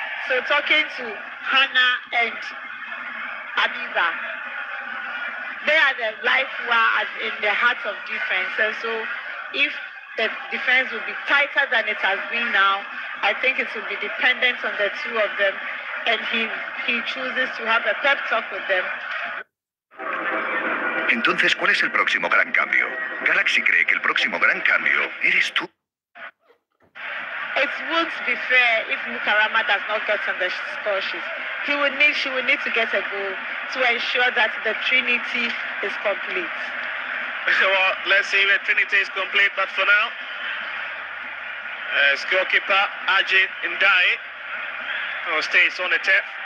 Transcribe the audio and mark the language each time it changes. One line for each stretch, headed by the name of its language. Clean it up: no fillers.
English: So talking to Hannah and Abiza, they are the life who are in the heart of defense. And so if the defense will be tighter than it has been now, I think it will be dependent on the two of them. And he chooses to have a pep talk with them.
Spanish: Entonces, ¿cuál es el próximo gran cambio? Galaxy cree que el próximo gran cambio eres tú.
English: It won't be fair if Mukarama does not get on the score sheet. She will need to get a goal to ensure that the Trinity is complete. Well, let's see if the Trinity is complete, but for now, scorekeeper Ajit Ndai stays on the turf.